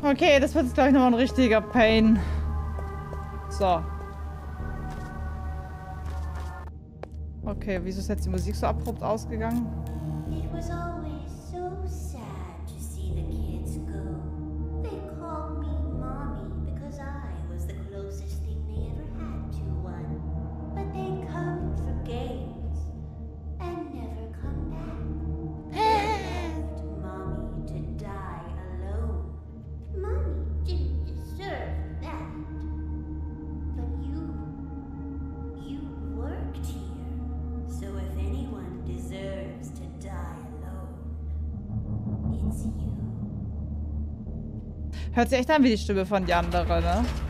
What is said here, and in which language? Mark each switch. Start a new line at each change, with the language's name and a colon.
German: Okay, das wird jetzt, glaube ich, nochmal ein richtiger Pain. So. Okay, wieso ist jetzt die Musik so abrupt ausgegangen?
English: It was always so sad to see the kids go. They called me Mommy because I was the closest thing they ever had to one. But they come for games and never come back. They left Mommy to die alone. Mommy didn't deserve that. But you worked here. So if anyone deserves to die alone, it's you.
German: Hört sich echt an wie die Stimme von die andere, ne?